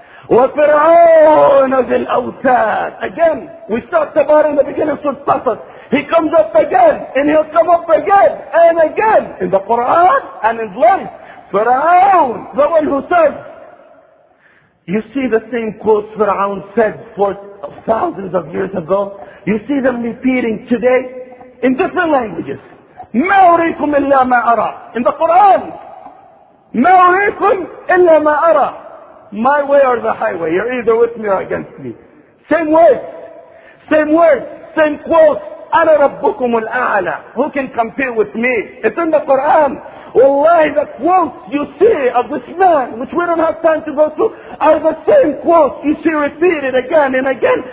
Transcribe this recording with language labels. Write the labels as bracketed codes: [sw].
[ar] وَفِرْعَوْنَ ذِي الْأَوْتَادِ [en] Again, we talked about in the beginning of Surah He comes up again, and he'll come up again, and again, in the Quran, and in life. فِرْعَوْنَ The one who says, you see the same quotes Fir'aun said for thousands of years ago. You see them repeating today in different languages. [ar] مَا أُرِيكُمْ إِلَّا مَا أَرَى [en] In the Quran. [ar] مَا أُرِيكُمْ إِلَّا مَا أَرَى [en] My way or the highway. You're either with me or against me. Same words. Same words. Same quotes. [ar] أَنَا رَبُّكُمُ الْأَعْلَى [en] Who can compete with me? It's in the Quran. Wallahi, the quotes you see of this man, which we don't have time to go through, are the same quotes you see repeated again and again.